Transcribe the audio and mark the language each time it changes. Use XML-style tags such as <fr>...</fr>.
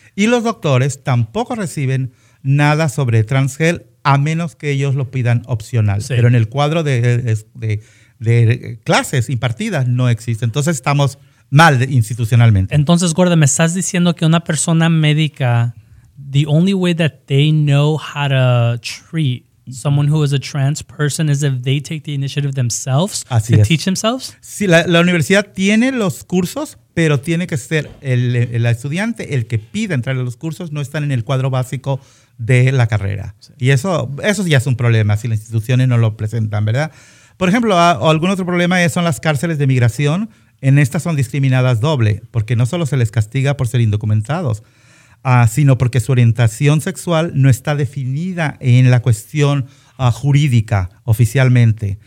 <es>Y los doctores tampoco reciben nada sobre TransHealth a menos que ellos lo pidan opcional. Sí. Pero en el cuadro de clases impartidas no existe. Entonces estamos mal institucionalmente. Entonces, Gordo, ¿me estás diciendo que una persona médica</es> <en>the only way that they know how to treat someone who is a trans person is if they take the initiative themselves</en> <es>Así</es> <en>to</en> <es>es.</es> <en>Teach themselves?</en> <es>Sí, la universidad tiene los cursos, pero tiene que ser el estudiante el que pida entrar a los cursos, no están en el cuadro básico de la carrera. Sí. Y eso ya es un problema si las instituciones no lo presentan, ¿verdad? Por ejemplo, algún otro problema son las cárceles de migración. En estas son discriminadas doble, porque no solo se les castiga por ser indocumentados, sino porque su orientación sexual no está definida en la cuestión jurídica oficialmente.</es>